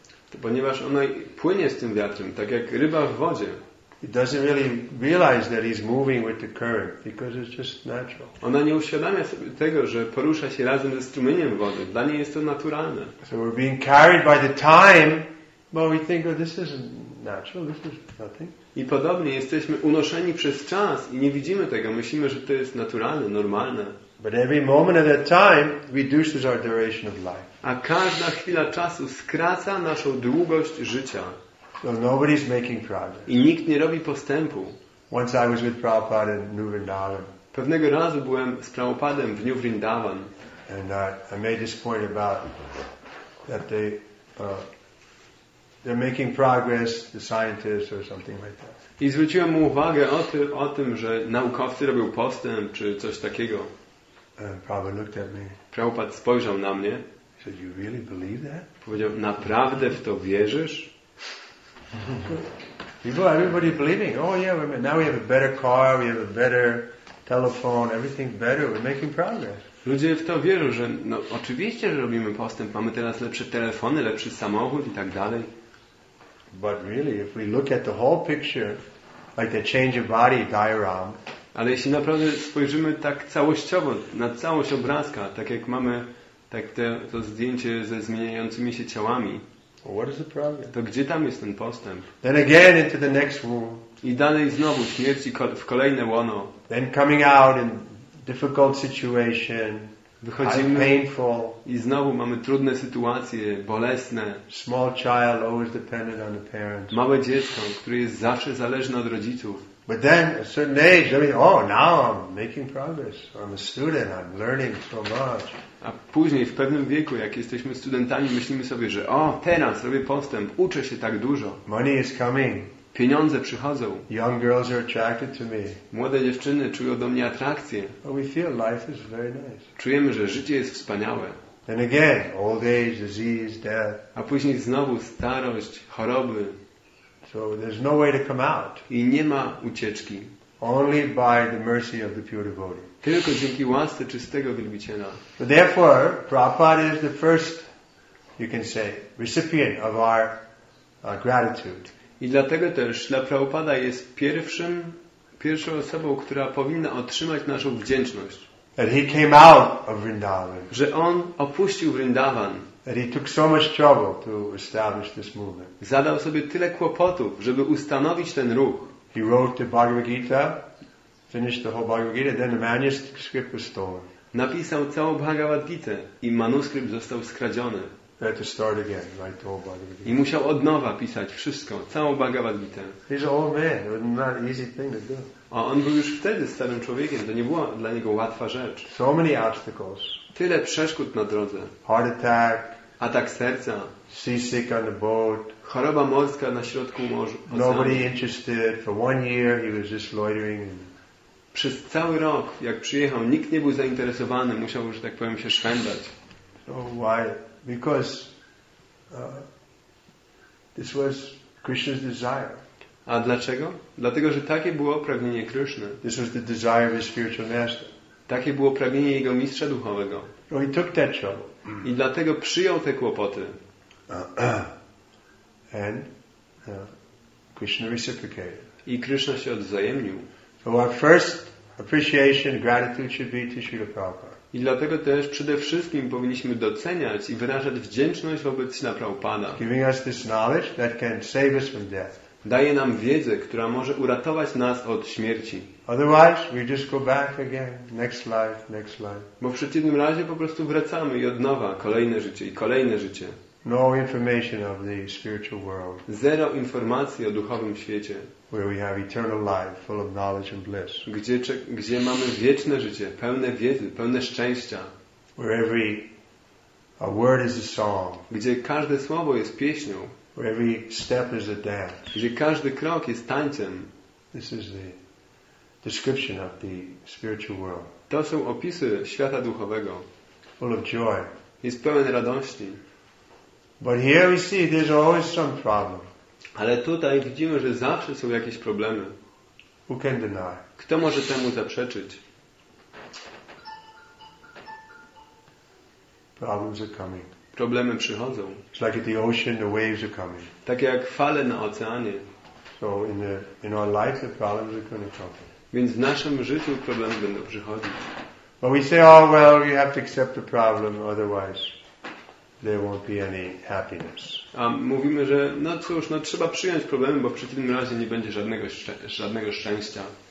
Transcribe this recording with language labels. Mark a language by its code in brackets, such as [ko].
[pl] To ponieważ ona płynie z tym wiatrem, tak jak ryba w wodzie. [en] It doesn't really realize that he's moving with the current because it's just natural. [pl] Ona nie uświadamia sobie tego, że porusza się razem ze strumieniem wody. Dla niej jest to naturalne. [en] So we're being carried by the time, but we think, oh, this isn't natural. This is nothing. [pl] I podobnie jesteśmy unoszeni przez czas i nie widzimy tego. Myślimy, że to jest naturalne, normalne. [en] But every moment of that time reduces our duration of life. [pl] A każda chwila czasu skraca naszą długość życia. [en] So nobody's making progress. [pl] I nikt nie robi postępu. [en] Once I was with Prabhupada in New Vrindavan. [pl] Pewnego razu byłem z Prabhupadem w New Vrindavan. [en] And I made this point about that they're making progress, the scientists or something like that. [pl] I zwróciłem mu uwagę o tym, że naukowcy robią postęp czy coś takiego. [en] And Prabhupada looked at me. [pl] Prabhupad spojrzał na mnie. [en] He said, "You really believe that?" [pl] Powiedział, naprawdę w to wierzysz? [en] People, everybody believing. Oh yeah, now we have a better car, we have a better telephone, everything better. We're making progress. [pl] Ludzie w to wierzą, że no oczywiście, że robimy postęp. Mamy teraz lepsze telefony, lepszy samochód i tak dalej. [en] But really, if we look at the whole picture, like the change of body diagram. [pl] Ale jeśli naprawdę spojrzymy tak całościowo na całość obrazka, tak jak mamy tak to zdjęcie ze zmieniającymi się ciałami. [en] What is the problem? [pl] To gdzie tam jest ten postęp? [en] Then again into the next womb. [pl] I dalej znowu śmierć w kolejne łono. [en] Then coming out in difficult situation. [pl] Wychodzimy [en] painful. [pl] I znowu mamy trudne sytuacje, bolesne. [en] Small child always dependent on the parents. [pl] Małe dziecko, które jest zawsze zależne od rodziców. [en] But then at a certain age, I mean, oh, now I'm making progress. I'm a student. I'm learning so much. [pl] A później, w pewnym wieku, jak jesteśmy studentami, myślimy sobie, że o, teraz robię postęp, uczę się tak dużo. [en] Money is coming. [pl] Pieniądze przychodzą. [en] Young girls are attracted to me. [pl] Młode dziewczyny czują do mnie atrakcję. [en] But we feel life is very nice. [pl] Czujemy, że życie jest wspaniałe. [en] Then again, old age, disease, death. [pl] A później znowu starość, choroby. [en] So there's no way to come out. [pl] I nie ma ucieczki. [en] Only by the mercy of the pure devotee. [pl] Tylko dzięki łasce czystego wielbiciela. [en] So therefore, Prabhupada is the first, you can say, recipient of our gratitude. [pl] I dlatego też dla Prabhupada jest pierwszą osobą, która powinna otrzymać naszą wdzięczność. [en] That he came out of Vrindavan. [pl] Że on opuścił Vrindavan. [en] That he took so much trouble to establish this movement. [pl] Zadał sobie tyle kłopotów, żeby ustanowić ten ruch. [en] He wrote the Bhagavad Gita. Finished the whole Bhagavad Gita, then the manuscript was stolen. [pl] Napisał całą Bhagavad Gita i manuskrypt został skradziony. [en] Had to start again, write the whole Bhagavad Gita. [pl] I musiał od nowa pisać wszystko, całą Bhagavad Gita. [en] He's an old man. It was not an easy thing to do. [pl] A on był już wtedy starym człowiekiem, to nie była dla niego łatwa rzecz. [en] So many obstacles. [pl] Tyle przeszkód na drodze. [en] Heart attack. [pl] Atak serca. [en] Seasick on the boat. [pl] Choroba morska na środku morza. [en] Nobody interested. For one year he was just loitering. [pl] Przez cały rok, jak przyjechał, nikt nie był zainteresowany, musiał, że tak powiem, się szwendać. [en] So why? Because this was Krishna's desire. [pl] A dlaczego? Dlatego, że takie było pragnienie Kryszny. [en] This was the desire of his spiritual master. [pl] Takie było pragnienie jego mistrza duchowego. [en] So he took that trouble. [pl] I dlatego przyjął te kłopoty. [en] And Krishna reciprocated. [pl] I Krishna się odwzajemnił. [en] So our first appreciation, gratitude should be to Śrīla Prabhupāda. [pl] I dlatego też przede wszystkim powinniśmy doceniać i wyrażać wdzięczność wobec Śrīla Prabhupāda. [en] Giving us this knowledge that can save us from death. [pl] Daje nam wiedzę, która może uratować nas od śmierci. [en] Otherwise, we just go back again, next life, next life. [pl] Bo w przeciwnym razie po prostu wracamy i od nowa kolejne życie i kolejne życie. [en] No information of the spiritual world. [pl] Zero informacji o duchowym świecie. [en] Where we have eternal life, full of knowledge and bliss. [pl] Gdzie mamy wieczne życie, pełne wiedzy, pełne szczęścia. [en] Where every a word is a song. [pl] Gdzie każde słowo jest pieśnią. [en] Where every step is a dance. [pl] Gdzie każdy krok jest tańcem. [en] This is the description of the spiritual world. [pl] To są opisy świata duchowego. [en] Full of joy. [pl] Jest pełen radości. [en] But here we see there's always some problem. [pl] Ale tutaj widzimy, że zawsze są jakieś problemy. [en] Who can deny? [pl] Kto może temu zaprzeczyć? [en] Problems are coming. [pl] Problemy przychodzą. [en] It's like the ocean, the waves are coming. [pl] Tak jak fale na oceanie. [en] So in our life the problems are going to come. [pl] Więc w naszym życiu problemy będą przychodzić. [en] But we say, oh well, you have to accept the problem, otherwise there won't be any happiness. [pl] A mówimy, że no cóż, no trzeba przyjąć problemy, bo w przeciwnym razie nie będzie żadnego szczęścia.